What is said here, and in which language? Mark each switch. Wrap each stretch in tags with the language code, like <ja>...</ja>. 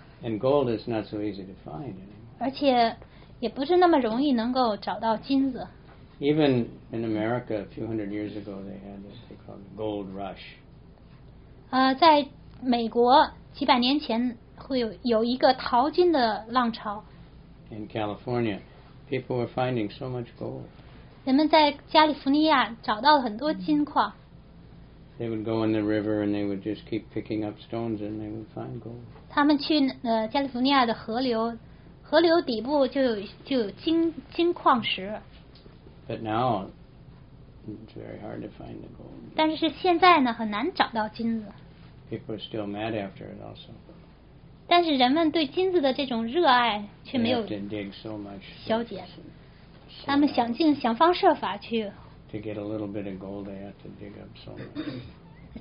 <en>And gold is not so easy to find anymore.</en> <zh>而且也不是那么容易能够找到金子。</zh> <en>Even in America, a few hundred years ago, they had what they called the gold rush.</en> <zh>在美国。几百年前会有一个淘金的浪潮。</zh> <en>In California, people were finding so much gold.</en> <zh>人们在加利福尼亚找到了很多金矿。</zh> <en>They would go in the river and they would just keep picking up stones and they would find gold.</en> <zh>他们去加利福尼亚的河流，河流底部就有金矿石。</zh> <en>But now, it's very hard to find the gold.</en> <zh>但是现在呢，很难找到金子。</zh> <en>People are still mad after it also.</en> <zh>但是人们对金子的这种热爱却没有消减。他们想方设法去。</zh> <en>To get a little bit of gold, they have to dig up so much.</en>